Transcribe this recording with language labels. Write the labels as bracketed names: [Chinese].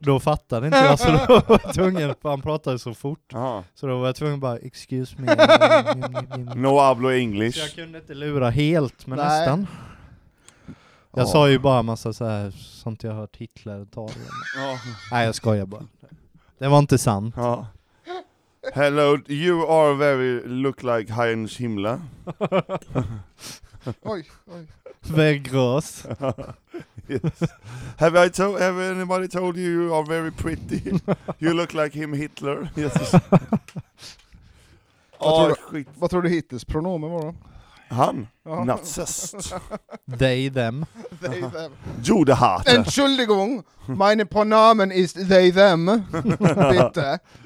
[Swedish] Då fattade inte jag, så då var jag tvungen, han pratade så fort. Så då var jag tvungen bara, [English] excuse me. [Spanish] No hablo English. [Swedish] Så jag kunde inte lura helt, men nej. Nästan. Jag sa ju bara en massa så här, sånt jag hört Hitler tala. Ja. Nej, jag skojar bara. Det var inte sant. Ja. [English] Hello, you are very look like Heinz Himmler. [Swedish] Oj. [English] Very gross. Yes. Have anybody told you you are very pretty? You look like him, Hitler. Yes. [Swedish] Vad tror du Hitlers pronomen var då? Han? Ja. Nazist. [English] They, them. [German] Jude hat. Entschuldigung, meine pronomen [English] is they, them. [German] Bitte.